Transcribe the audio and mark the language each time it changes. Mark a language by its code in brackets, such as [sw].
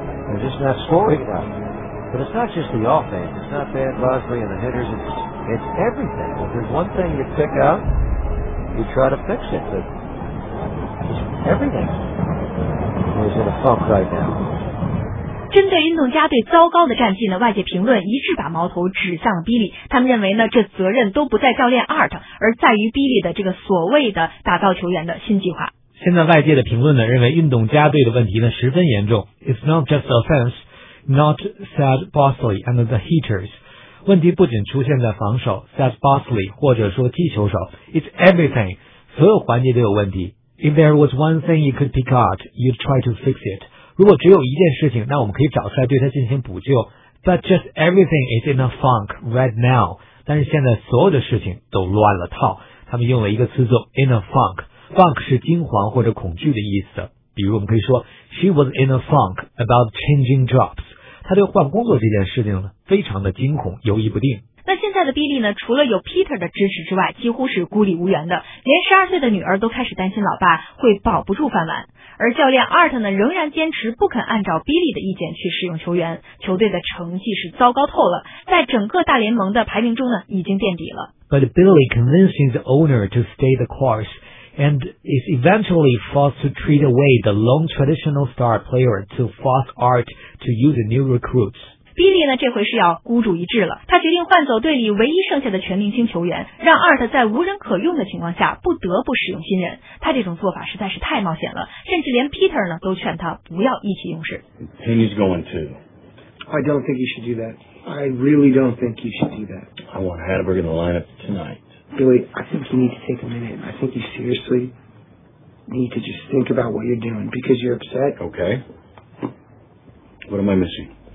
[en] They're just not scoring enough. But it's not just the offense. It's not Ben Bosley and the hitters. It's everything. If there's one thing you pick out, you try to fix it. But it's everything is in a funk right now. [zh] 针对运动家队糟糕的战绩呢，外界评论一致把矛头指向了 Billy。他们认为呢，这责任都不在教练 Art， 而在于 Billy 的这个所谓的打造球员的新计划。现在外界的评论呢，认为运动家队的问题呢十分严重。 [en] It's not just offense. Not said Bosley and the hitters. [zh] 问题不仅出现在防守 said Bosley 或者说击球手 [en] It's everything. [zh] 所有环节都有问题 [en] If there was one thing you could pick out, you'd try to fix it. [zh] 如果只有一件事情，那我们可以找出来对它进行补救 [en] But just everything is in a funk [zh] right now. 但是现在所有的事情都乱了套。他们用了一个词组 [en] in a funk. [zh] Funk 是惊慌或者恐惧的意思。比如我们可以说 [en] She was in a funk about changing jobs. [zh] 他对换工作这件事情呢，非常的惊恐，犹豫不定。那现在的 Billy 呢，除了有 Peter 的支持之外，几乎是孤立无援的，连12岁的女儿都开始担心老爸会保不住饭碗。而教练 Art 呢，仍然坚持不肯按照 Billy 的意见去使用球员，球队的成绩是糟糕透了，在整个大联盟的排名中呢，已经垫底了。 [en] But Billy convinced his owner to stay the course and is eventually forced to trade away the long traditional star player to force Art. To use new recruits. [zh] Billy 呢，这回是要孤注一掷了。他决定换走队里唯一剩下的全明星球员，让 Art 在无人可用的情况下不得不使用新人。他这种做法实在是太冒险了，甚至连 Peter 呢都劝他不要意气用事。 [en] He's going too. I don't think you should do that. I really don't think you should do that. I want Hatterberg in the lineup tonight. Billy, I think you need to take a minute. I think you seriously need to just think about what you're doing because you're upset. Okay. What am I missing?